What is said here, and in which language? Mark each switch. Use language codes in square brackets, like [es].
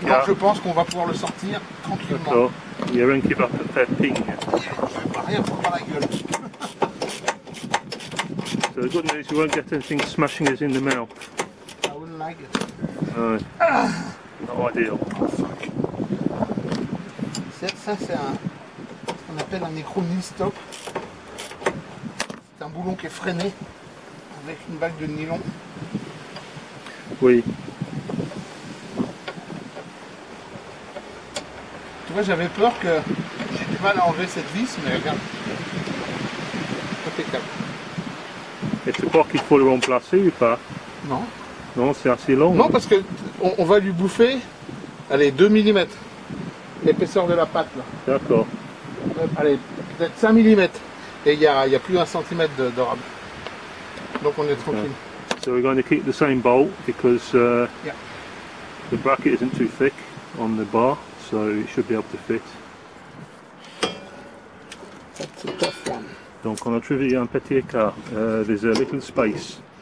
[fr] Donc je pense qu'on va pouvoir le sortir tranquillement. Il y a rien qui va faire ping. Je vais pas rien foutre la gueule. [en] So the good news, you won't get anything smashing us in the mouth. I wouldn't like it. No. Not ideal. Oh fuck. [fr] Ça c'est un, ce qu'on appelle un écrou nil-stop. C'est un boulon qui est freiné avec une bague de nylon. Oui. Tu vois, j'avais peur que j'ai du mal à enlever cette vis, mais regarde. Impeccable. Et tu crois qu'il faut le remplacer ou pas? Non. Non, c'est assez long. Non, parce qu'on va lui bouffer, allez, 2 mm. l'épaisseur de la pâte. Là. D'accord. Allez, peut-être 5 mm. Et il y a plus d'un centimètre de rab. Donc on est tranquille. [en] So we're going to keep the same bolt because the bracket isn't too thick on the bar, so it should be able to fit. That's a tough one. [fr] Donc on a trouvé un petit écart. [en] There's a little space.